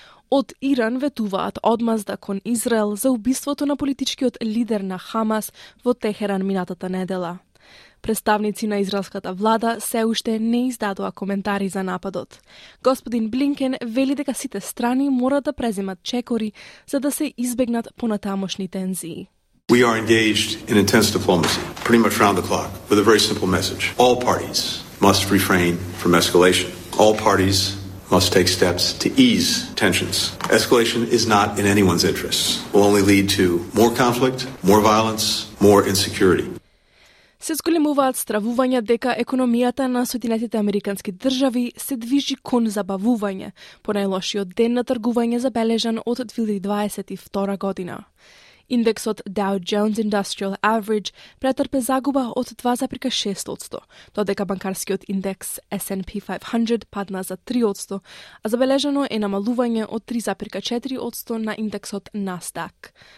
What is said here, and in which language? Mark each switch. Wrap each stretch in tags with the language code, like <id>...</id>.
<mk>Од Иран ветуваат одмазда кон Израел за убиството на политичкиот лидер на Хамас во Техеран минатата недела. Представници на израелската влада се уште не издадоа коментари за нападот. Господин Блинкен вели дека сите страни мора да преземат чекори за да се избегнат понатамошни тензии.</mk> <en>We are engaged in intense diplomacy, pretty much round the clock, with a very simple message. All parties must refrain from escalation. All parties must take steps to ease tensions. Escalation is not in anyone's interests. Will only lead to more conflict, more violence, more insecurity.</en> <mk>Се зголемуваат стравувања дека економијата на Соединетите Американски држави се движи кон забавување, по најлошиот ден на тргување забележан од 2022 година. Индексот Dow Jones Industrial Average претрпе загуба од 2,6%, додека банкарскиот индекс S&P 500 падна за 3%, а забележано е намалување од 3,4% на индексот Nasdaq.</mk>